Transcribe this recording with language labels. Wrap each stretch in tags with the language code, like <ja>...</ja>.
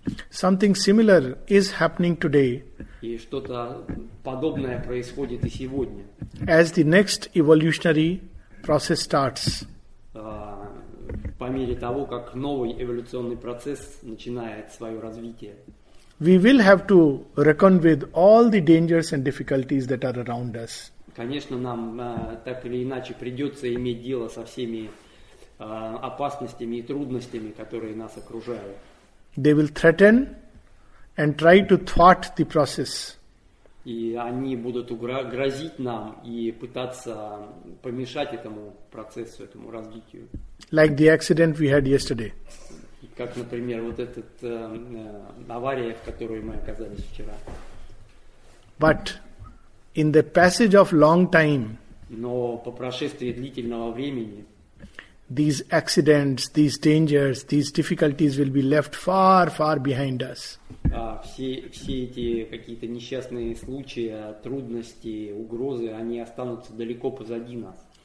<en>Something similar is happening today.</en> <ru>И что-то подобное происходит и сегодня.</ru> <en>As the next evolutionary process starts.</en> <ru>По мере того, как новый эволюционный процесс начинает свое развитие.</ru> <en>we will have to reckon with all the dangers and difficulties that are around us.</en> <ru>Конечно, нам так или иначе придется иметь дело со всеми опасностями и трудностями, которые нас окружают.</ru> <en>They will threaten and try to thwart the process.</en> <ru>И они будут грозить нам и пытаться помешать этому процессу, этому развитию.</ru> <en>Like the accident we had yesterday.</en> <ru>Как, например, вот этот авария, в которой мы оказались вчера.</ru> <en>But in the passage of long time,</en> <ru>но по прошествии длительного времени,</ru> <en>these accidents, these dangers, these difficulties will be left far, far behind us.</en> <ru>Все эти какие-то несчастные случаи, трудности, угрозы, они останутся далеко позади нас.</ru>